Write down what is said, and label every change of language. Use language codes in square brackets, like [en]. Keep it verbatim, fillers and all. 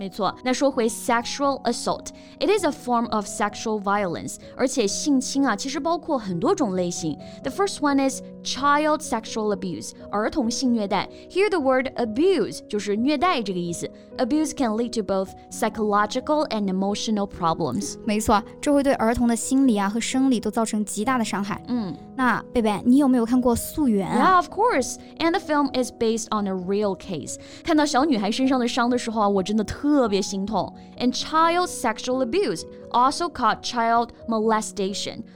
[zh] 没错那说回 [en] Sexual assault It is a form of sexual violence [zh] 而且性侵啊其实包括很多种类型 [en] The first one is child sexual abuse [zh] 儿童性虐待 [en] Here the word abuse [zh] 就是虐待这个意思 [en] Abuse can lead to both psychological and emotional problems [zh] 没错这会对儿童的心理啊和生理都造成极大的伤害嗯，那贝贝，你有没有看过《溯源》 [en] 啊？Yeah, of course. And the film is based on a real case. [zh] 看到小女孩身上的伤的时候啊，我真的特别心痛。 [en] And child sexual abuse, also called child molestation.